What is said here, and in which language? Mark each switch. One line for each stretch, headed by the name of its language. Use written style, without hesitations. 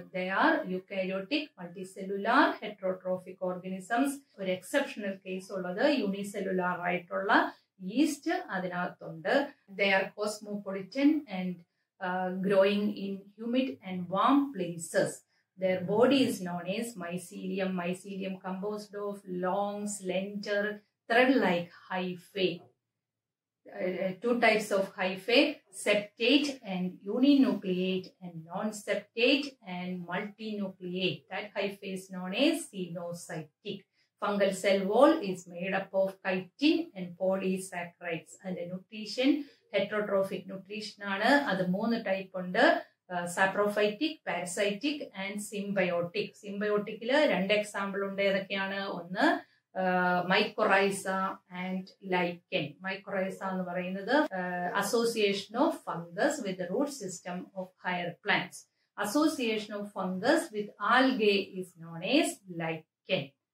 English: They are eukaryotic multicellular heterotrophic organisms.
Malayalam: ഒരു exceptional case ഉള്ളത് unicellular ആയിട്ടുള്ള yeast അതിനകത്തുണ്ട്.
English: They are cosmopolitan and growing in humid and warm places. Their body is known as mycelium. Mycelium composed of long, slender, thread-like hyphae. Two types of hyphae, septate and uninucleate and non-septate and multinucleate. That hyphae is known as cenocytic. Fungal cell wall is made up of chitin and polysaccharides. And the nutrition, heterotrophic nutrition, are the three types of saprophytic, parasitic and symbiotic.
Malayalam: സിംബയോട്ടിക്കില് രണ്ട് example ഉണ്ട്. ഏതൊക്കെയാണ്? ഒന്ന് mycorrhiza and ലൈക്കൻ.
English: mycorrhiza
Malayalam: എന്ന് പറയുന്നത്
English: Association of fungus with root system of higher plants. Association of fungus with algae is known as lichen.